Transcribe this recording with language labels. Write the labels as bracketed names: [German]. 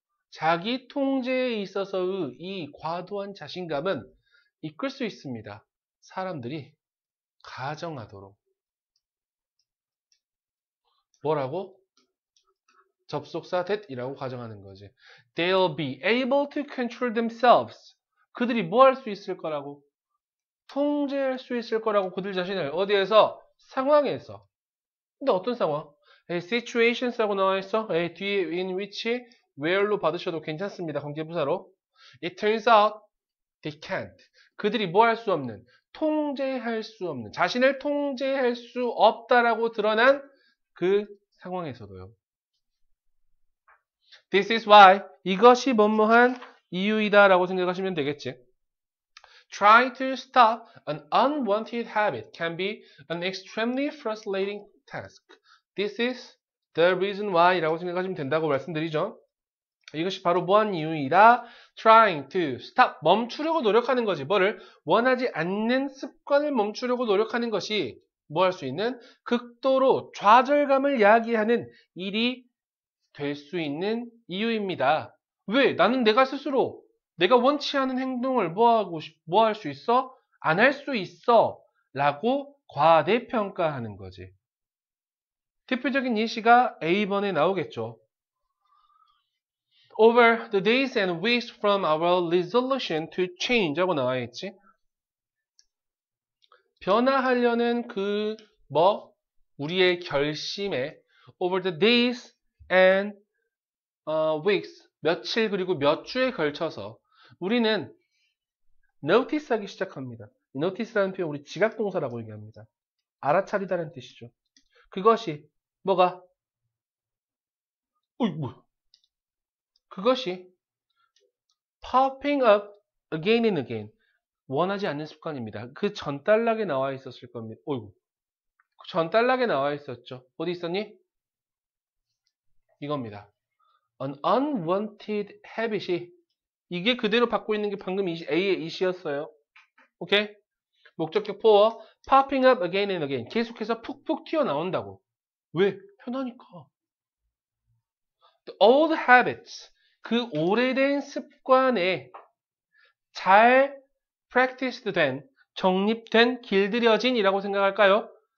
[Korean] 자기 통제에 있어서의 이 과도한 자신감은 이끌 수 있습니다. 사람들이 가정하도록. 뭐라고? 접속사 that이라고 가정하는 거지. [English] They'll be able to control themselves. [Korean] 그들이 뭐할수 있을 거라고? 통제할 수 있을 거라고 그들 자신을. 어디에서? 상황에서. 근데 어떤 상황? Situations라고 나와 있어. 뒤에 in which, where로 받으셔도 괜찮습니다. [English] 관계부사로. It turns out they can't. [Korean] 그들이 뭐할수 없는, 통제할 수 없는, 자신을 통제할 수 없다라고 드러난 그 상황에서도요. [English] This is why. [Korean] 이것이 뭐뭐한 이유이다라고 생각하시면 되겠지. [English] Trying to stop an unwanted habit can be an extremely frustrating task. This is the reason why [Korean] 라고 생각하시면 된다고 말씀드리죠. 이것이 바로 뭐한 이유이다. [English] Trying to stop. [Korean] 멈추려고 노력하는 거지. 뭐를? 원하지 않는 습관을 멈추려고 노력하는 것이 뭐할수 있는? 극도로 좌절감을 야기하는 일이 될수 있는 이유입니다. 왜? 나는 내가 스스로 내가 원치 않은 행동을 뭐할수 있어? 안할수 있어. 라고 과대평가하는 거지. 대표적인 예시가 A번에 나오겠죠. [English] Over the days and weeks from our resolution to change [Korean] 하고 나와 있지. 변화하려는 그, 뭐, 우리의 결심에 [English] over the days and weeks, [Korean] 며칠 그리고 몇 주에 걸쳐서 우리는 notice 하기 시작합니다. notice라는 표현, 우리 지각동사라고 얘기합니다. 알아차리다는 뜻이죠. 그것이, 뭐가? 어이구. [English] 그것이 popping up again and again. [Korean] 원하지 않는 습관입니다. 그전 단락에 나와 있었을 겁니다. 어이구. 그전 단락에 나와 있었죠. 어디 있었니? 이겁니다. [English] An unwanted habit [Korean] 이. 이게 그대로 받고 있는 게 방금 이시, A의 이시였어요. 오케이? [English] 목적격 for popping up again and again. [Korean] 계속해서 푹푹 튀어나온다고. 왜? 편하니까. [English] The old habits. [Korean] 그 오래된 습관에 잘 practiced 된, 정립된, 길들여진이라고 생각할까요?